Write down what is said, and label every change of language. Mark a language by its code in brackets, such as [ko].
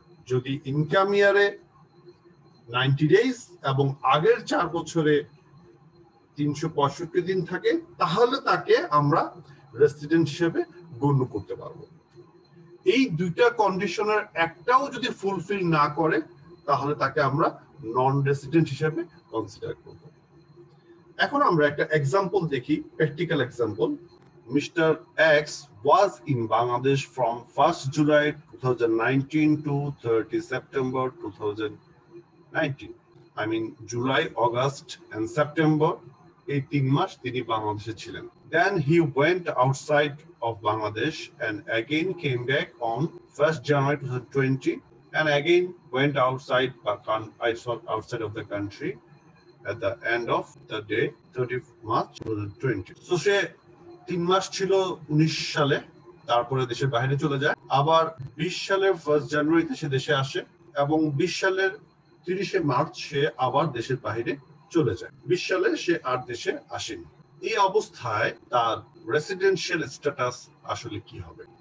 [bn] যদি ইনকাম ইয়ারে 90 ডেজ এবং আগের 4 বছরে 365 দিন থাকে তাহলে তাকে আমরা রেসিডেন্ট হিসেবে গণ্য করতে পারবো। এই দুইটা কন্ডিশনের একটাও যদি ফুলফিল না করে তাহলে তাকে আমরা নন রেসিডেন্ট হিসেবে কনসিডার করব। এখন আমরা একটা এক্সাম্পল দেখি, practical example. [en] Mr. X was in Bangladesh from 1st July 2019 to 30 September 2019. July, August and September, [bn] 18 মাস তিনি বাংলাদেশে ছিলেন। [en] Then he went outside of Bangladesh and again came back on 1st January 2020 and again went outside outside of the country at the end of the day 30 March 2020. So she [bn] 3 মাস ছিল 19 সালে, তারপরে দেশের বাইরে চলে যায়, আবার 20 সালের 1 জানুয়ারিতে সে দেশে আসে এবং 20 সালের 30 মার্চ সে আবার দেশের বাইরে চলে যায়। 20 সালে সে আর দেশে আসেনি। এই অবস্থায় তার রেসিডেন্সিয়াল স্ট্যাটাস আসলে কি হবে?